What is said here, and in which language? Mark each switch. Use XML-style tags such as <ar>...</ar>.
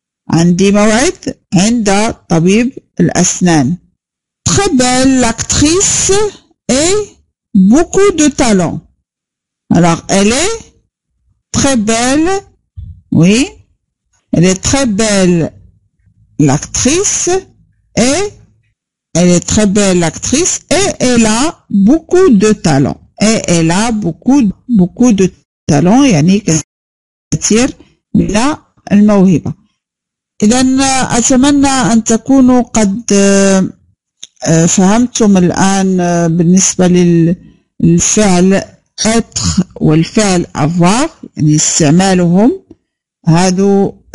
<ar>عندي موعد عند طبيب الأسنان.</ar> <fr>Très belle actrice et beaucoup de talent. Alors, elle est très belle. Oui, elle est très belle l'actrice et elle est très belle l'actrice et elle a beaucoup de talent. Et elle a beaucoup beaucoup de talent. Yannick tire là le mauvais.</fr> <ar>إذا أتمنى أن تكونوا قد فهمتم الآن بالنسبة للفعل être والفعل avoir يعني استعمالهم هادو</ar>